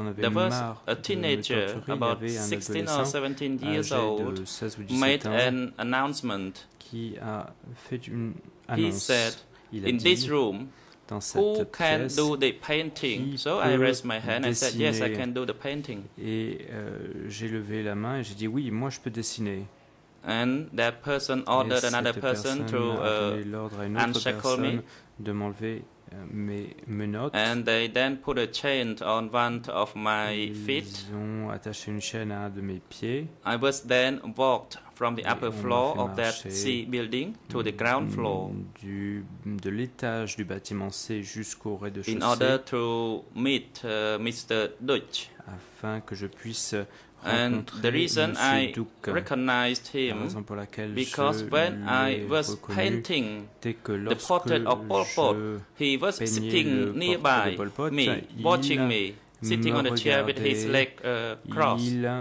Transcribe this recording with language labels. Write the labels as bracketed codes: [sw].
[en] There was a teenager about 16 or 17 years old made an announcement. He said, in this room, who can [fr] pièce, [en] do the painting? So I raised my hand and said, yes, I can do the painting. [fr] Et j'ai levé la main et j'ai dit, oui, moi, je peux dessiner. [en] And that person ordered another person to unshackle me. [fr] De m'enlever mes menottes. [en] And they then put a chain on one of my feet. [fr] Ils ont attaché une chaîne à un de mes pieds. [en] I was then walked from the upper floor of that C building to the ground floor. [fr] De l'étage du bâtiment C jusqu'au rez-de-chaussée. [en] In order to meet Mr. Deutsch. [fr] Afin que je puisse [en] And the reason I recognized him, because when I was painting the portrait of Pol Pot, he was sitting nearby me, watching me, sitting on a chair with his leg crossed.